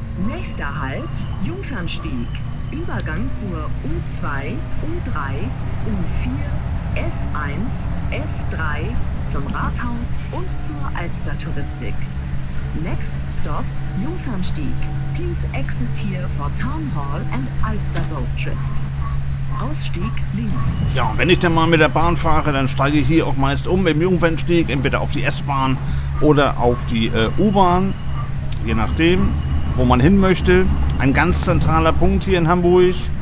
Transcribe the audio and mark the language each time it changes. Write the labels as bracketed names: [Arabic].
[German] Nächster Halt Jungfernstieg. Übergang zur U2, U3, U4, S1, S3, zum Rathaus und zur Alster Touristik. [English] Next stop, Jungfernstieg. Please exit here for Town Hall and Alster Boat Trips. [German] Ausstieg links. Ja, und wenn ich dann mal mit der Bahn fahre, dann steige ich hier auch meist um im Jungfernstieg, entweder auf die S-Bahn oder auf die U-Bahn, je nachdem, wo man hin möchte. Ein ganz zentraler Punkt hier in Hamburg.